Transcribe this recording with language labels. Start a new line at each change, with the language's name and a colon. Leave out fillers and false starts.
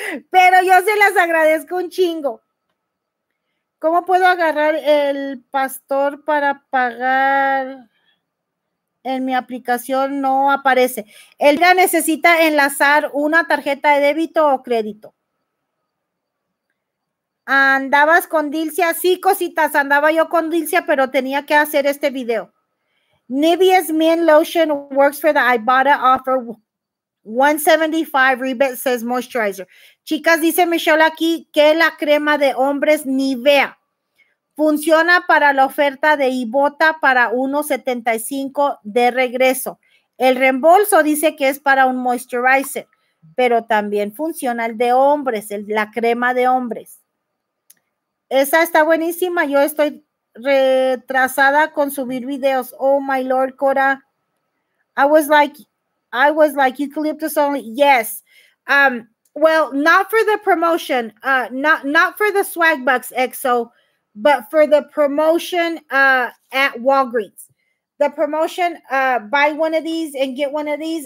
Spanish: Pero yo se las agradezco un chingo. ¿Cómo puedo agarrar el pastor para pagar? En mi aplicación no aparece. Él ya necesita enlazar una tarjeta de débito o crédito. ¿Andabas con Dilcia? Sí, cositas, andaba yo con Dilcia, pero tenía que hacer este video.
English: Nivea's Men Lotion works for the Ibotta offer. $175 rebate says moisturizer.
Spanish: Chicas, dice Michelle aquí que la crema de hombres Nivea funciona para la oferta de Ibotta para $1.75 de regreso. El reembolso dice que es para un moisturizer, pero también funciona el de hombres, la crema de hombres. Esa está buenísima. Yo estoy retrasada con subir videos.
English: Oh my lord, Cora. I was like eucalyptus only. Yes. Well, not for the promotion. Not for the Swagbox XO, but for the promotion at Walgreens. The promotion, buy one of these and get one of these.